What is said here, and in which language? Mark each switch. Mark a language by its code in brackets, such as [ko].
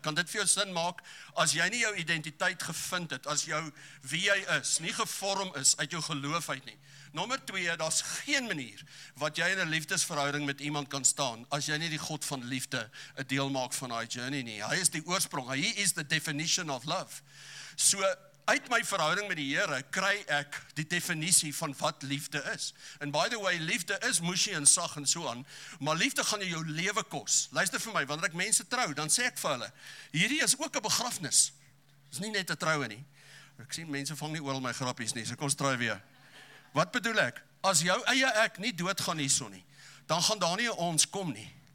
[af] Kan dit vir jou sin maak as jy nie jou identiteit gevind het, as jou wie jy is nie gevorm is uit jou geloof uit nie. Nommer 2, daar's geen manier wat jy in 'n liefdesverhouding met iemand kan staan as jy nie die God van liefde 'n deel maak van daai journey nie. Hy is die oorsprong. [en] He is the definition of love. [af] So uit my verhouding met die Here kry ek die definisie van wat liefde is. [en] And by the way, [af] liefde is mushy en sag en so aan, maar liefde gaan jou lewe kos. Luister vir my, wanneer ek mense trou, dan sê ek vir hulle, hierdie is ook 'n begrafnis. Dit is nie net 'n troue nie. Ek sien mense vang nie oral my grappies nie, so kom ons trou weer. Wat bedoel ek? As jou eie ek nie doodgaan hierso nie, dan gaan daar nie 'n ons kom nie.